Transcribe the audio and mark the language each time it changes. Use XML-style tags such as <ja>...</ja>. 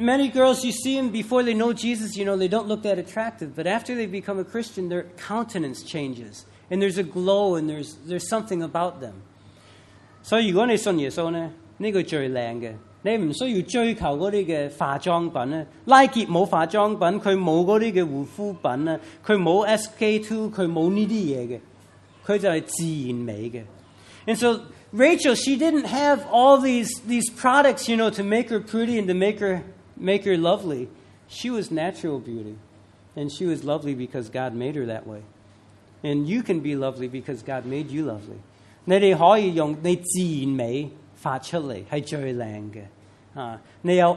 <en>many girls, you see them before they know Jesus, you know, they don't look that attractive. But after they become a Christian, their countenance changes. And there's a glow and there's something about them.</en> <zh>所以如果你信耶稣呢,这个最漂亮的。你不需要追求那些化妆品,Nike没有化妆品,他没有那些护肤品,他没有SK2, 他没有这些东西,他就是自然美的。And</zh> <en>so Rachel, she didn't have all these products, you know, to make her pretty and to make her lovely. She was natural beauty, and she was lovely because God made her that way. And you can be lovely because God made you lovely.</en> <zh>你们可以用你自然美发出来,是最漂亮的。</zh>